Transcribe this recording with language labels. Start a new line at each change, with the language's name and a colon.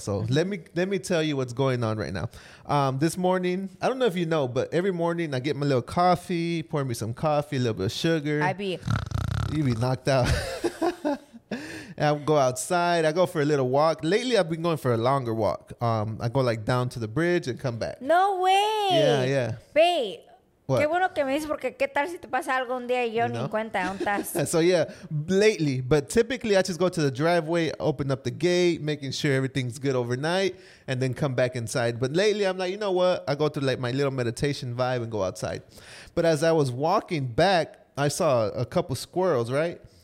English: So let me tell you what's going on right now. This morning, I don't know if you know, but every morning I get my little coffee, pour me some coffee, a little bit of sugar. You be knocked out. And I go outside. I go for a little walk. Lately, I've been going for a longer walk. I go like down to the bridge and come back. No way. Yeah. Wait.
Spanish: Qué bueno que me dices porque qué tal si te pasa algo un día y yo ni cuenta, ¿dónde estás?
English: So yeah, lately, but typically I just go to the driveway, open up the gate, making sure everything's good overnight, and then come back inside. But lately I'm like, you know what? I go to like my little meditation vibe and go outside. But as I was walking back, I saw a couple squirrels, right?